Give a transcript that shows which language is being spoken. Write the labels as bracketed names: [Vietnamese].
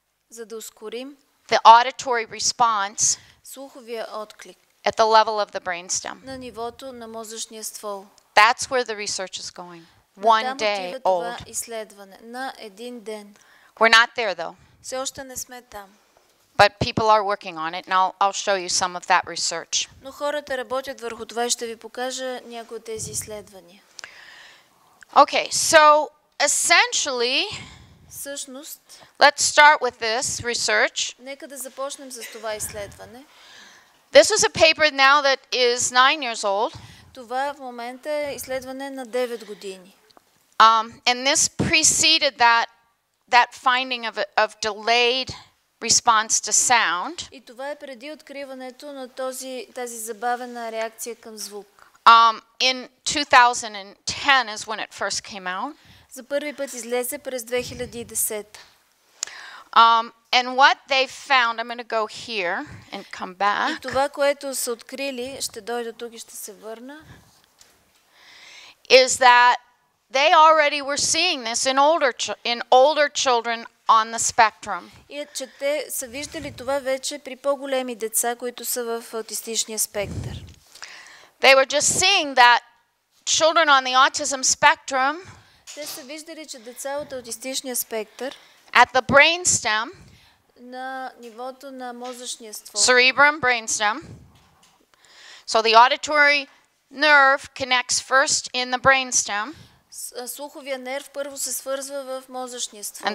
[Bulgarian] за да ускорим, [English] the auditory response, [Bulgarian] слуховия отклик, [English] at the level of the brainstem, [Bulgarian] на нивото на мозъчния ствол. [English] That's where the research is going. One day old. [Bulgarian] Това изследване на един ден. [English] We're not there though. [Bulgarian] Все още не сме там. [English] But people are working on it, and I'll show you some of that research. [Bulgarian] Но хората работят върху това и ще ви покажа някои от тези изследвания. [English] Okay, so essentially, [Bulgarian] всъщност, [English] let's start with this research. [Bulgarian] Нека да започнем с това изследване. [English] This is a paper now that is 9 years old. [Bulgarian] Това в момента е изследване на 9 години. [English] And this preceded that finding of delayed response to sound. [Bulgarian] И това е преди откриването на тази забавена реакция към звук. [English] In 2010 is when it first came out. [Bulgarian] За първи път излезе през 2010. [English] And what they found, I'm going to go here and come back. [Bulgarian] И това, което са открили, ще дойда тук и ще се върна. [English] Is that they already were seeing this in older children on the spectrum. [Bulgarian] И че те са виждали това вече при по-големи деца, които са в аутистичния спектър. [English] They were just seeing that children on the autism spectrum, [Bulgarian] те са виждали, че деца от аутистичния спектър, [English] at the brainstem, [Bulgarian] на нивото на мозъчния ствол, [English] cerebrum, brainstem, so the auditory nerve connects first in the brainstem, [Bulgarian] слуховия нерв първо се свързва в мозъчния ствол,